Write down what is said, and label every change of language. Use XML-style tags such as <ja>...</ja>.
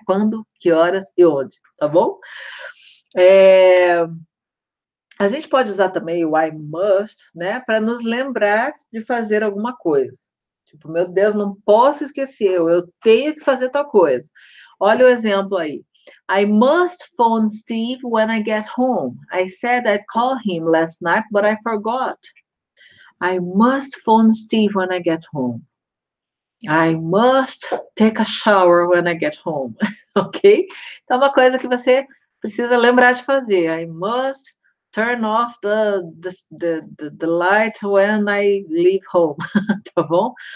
<pt>Quando, que horas e onde, tá bom? A gente pode usar também o I must, né, para nos lembrar de fazer alguma coisa. Tipo, meu Deus, não posso esquecer, eu tenho que fazer tal coisa. Olha o exemplo aí.</pt> <en>I must phone Steve when I get home. I said I'd call him last night, but I forgot. I must phone Steve when I get home. I must take a shower when I get home. Ok?</en> <pt>Então, uma coisa que você precisa lembrar de fazer.</pt> <en>I must turn off the light when I leave home,</en> <pt>tá bom?</pt>